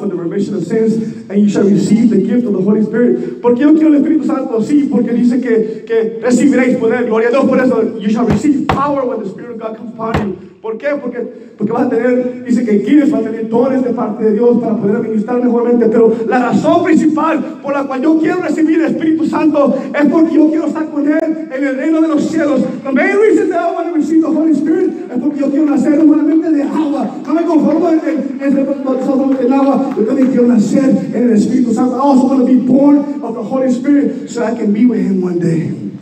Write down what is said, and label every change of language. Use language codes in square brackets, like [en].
[en] For the remission of sins, and you shall receive the gift of the Holy Spirit. [es] ¿Por qué yo quiero el Espíritu Santo? Sí, porque dice que recibiréis poder. Gloria a Dios por eso. [en] You shall receive power when the Spirit of God comes upon you. [es] ¿Por qué? Porque vas a tener, dice que quieres, vas a tener dones de parte de Dios para poder administrar mejormente. Pero la razón principal por la cual yo quiero recibir el Espíritu Santo es porque yo quiero estar con Él en el reino de los cielos. [en] The main reason that I want to receive the Holy Spirit [es] es porque yo quiero nacer nuevamente de agua. No me conformo en el agua. Yo también quiero nacer en el Espíritu Santo. [en] I also want to be born of the Holy Spirit so I can be with Him one day.